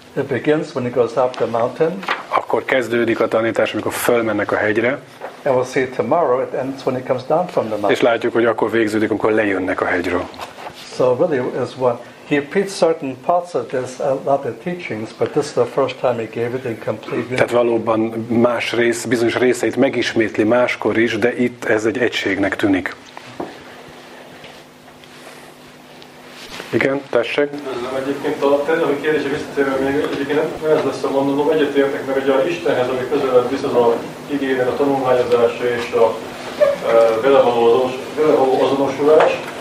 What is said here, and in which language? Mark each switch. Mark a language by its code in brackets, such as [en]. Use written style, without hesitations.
[en] It begins when he goes up the mountain. [hu] Akkor kezdődik a tanítás, amikor fölmennek a hegyre. [en] And we'll see tomorrow it ends when he comes down from the mountain. [hu] És látjuk, hogy akkor végződik, amikor lejönnek a hegyről. [en] So really is one. He preached certain parts of this other teachings, but this is the first time he gave it in complete unity. [hu] Tehát valóban más rész, bizonyos részeit megismétli máskor is, de itt ez egy egységnek tűnik. Igen, tessék. Üdvözlöm egyébként a tervezői kérdése visszatérve, még egyébként nem ez lesz a mondanom, egyetértek, mert ugye a Istenhez, ami közelebb visz az a igényben a tanulmányozása és a belevaló azonosulás.